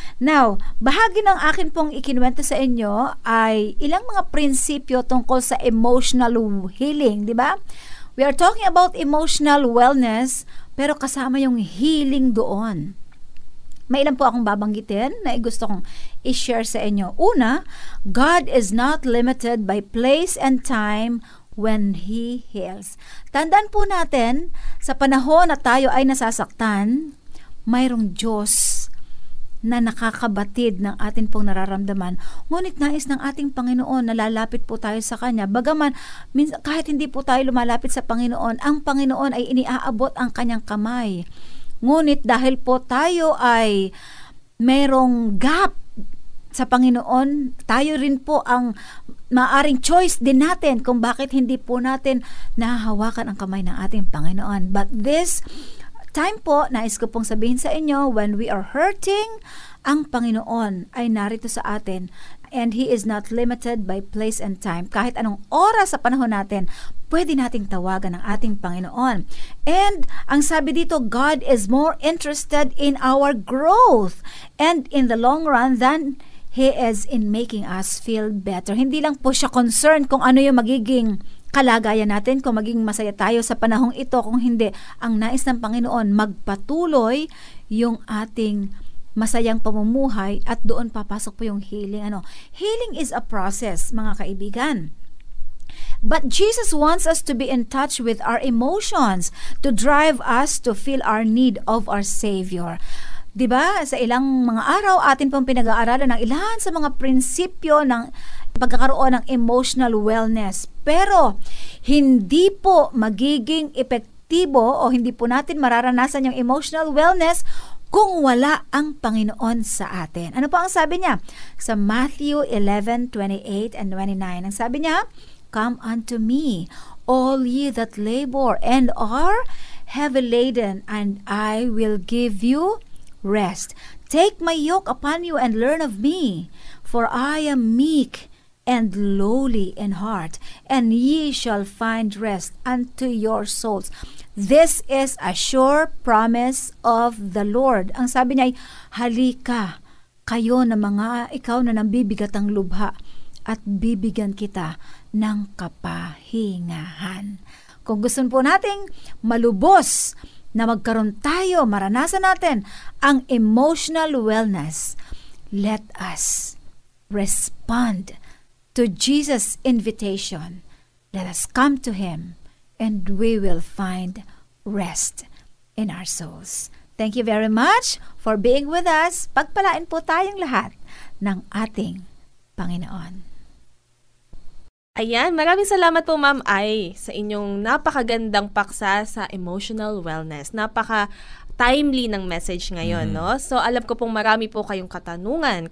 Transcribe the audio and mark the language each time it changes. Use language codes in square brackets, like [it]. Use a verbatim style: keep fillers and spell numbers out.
[tl] Now, bahagi ng akin pong ikinuwento sa inyo ay ilang mga prinsipyo tungkol sa emotional healing, di ba? [en] We are talking about emotional wellness, [tl] pero kasama yung healing doon. May ilan po akong babanggitin na gusto kong i-share sa inyo. [en] Una, God is not limited by place and time when He heals. [tl] Tandaan po natin, sa panahon na tayo ay nasasaktan, mayroong Diyos na nakakabatid ng atin pong nararamdaman. Ngunit nais ng ating Panginoon na lalapit po tayo sa Kanya. Bagaman, minsan, kahit hindi po tayo lumalapit sa Panginoon, ang Panginoon ay iniaabot ang Kanyang kamay. Ngunit dahil po tayo ay mayroong gap sa Panginoon, tayo rin po ang maaring choice din natin kung bakit hindi po natin nahahawakan ang kamay ng ating Panginoon. [en] But this time po, [tl] nais ko pong sabihin sa inyo, [en] when we are hurting, [tl] ang Panginoon ay narito sa atin [en] and He is not limited by place and time. [tl] Kahit anong oras sa panahon natin, pwede nating tawagan ang ating Panginoon. [en] And [tl] ang sabi dito, [en] God is more interested in our growth and in the long run than He is in making us feel better. [tl] Hindi lang po siya concerned kung ano yung magiging kalagayan natin, kung maging masaya tayo sa panahong ito, kung hindi, ang nais ng Panginoon, magpatuloy yung ating masayang pamumuhay at doon papasok po yung healing. Ano? [en] Healing is a process, mga kaibigan. But Jesus wants us to be in touch with our emotions to drive us to feel our need of our Savior. [tl] Diba, sa ilang mga araw, atin pong pinag-aaralan ng ilan sa mga prinsipyo ng pagkakaroon ng emotional wellness. Pero, hindi po magiging epektibo o hindi po natin mararanasan yung emotional wellness kung wala ang Panginoon sa atin. Ano po ang sabi niya? Sa Matthew eleven, twenty-eight and twenty-nine, ang sabi niya, [en] "Come unto me, all ye that labor and are heavy laden, and I will give you rest. Take my yoke upon you and learn of me, for I am meek and lowly in heart, and ye shall find rest unto your souls." This is a sure promise of the Lord. [tl] Ang sabi niya ay, halika kayo na mga ikaw na nambibigat ang lubha at bibigyan kita ng kapahingahan. Kung gusto po nating malubos na magkaroon tayo, maranasan natin ang emotional wellness, [en] let us respond to Jesus' invitation. Let us come to Him and we will find rest in our souls. Thank you very much for being with us. [tl] Pagpalain po tayong lahat ng ating Panginoon. Ayan, maraming salamat po Ma'am Ai sa inyong napakagandang paksa sa emotional wellness. Napaka timely ng message ngayon, mm. no? So alam ko pong marami po kayong katanungan.